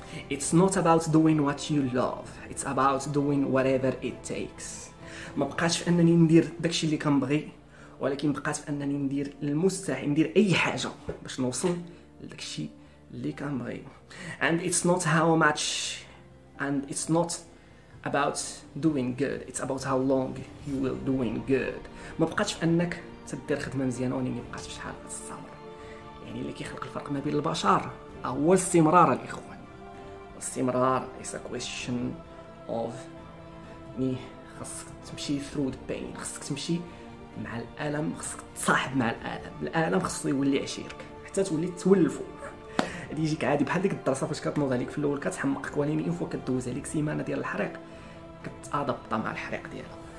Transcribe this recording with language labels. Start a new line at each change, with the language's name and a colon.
English: It's not about doing what you love, it's about doing whatever it takes.
Arabic: ما بقاش في انني ندير داكشي اللي كنبغي، ولكن بقات في انني ندير المستحيل، ندير اي حاجه باش نوصل لداكشي اللي كنبغي.
English: And it's not how much, and it's not about doing good, it's about how long you will doing good.
Arabic: ما بقاش في انك تدير خدمه مزيانه ولا ما بقاش فشحال الصبر. يعني اللي كيخلق الفرق ما بين البشر هو الاستمرار الاخوان.
English: استمرار is a question of me.
Arabic: خصك تمشي
English: through the pain،
Arabic: خصك تمشي مع الألم، خصك تصاحب مع الألم، الألم خصو يولي عشيرك حتى تولي تولفو. هادي يجيك عادي بحال ديك الدراسة فاش كتنوض عليك في الأول كتحمقك، ولكن إنفو كدوز عليك سيمانة ديال الحريق كتأدبط مع الحريق ديالها.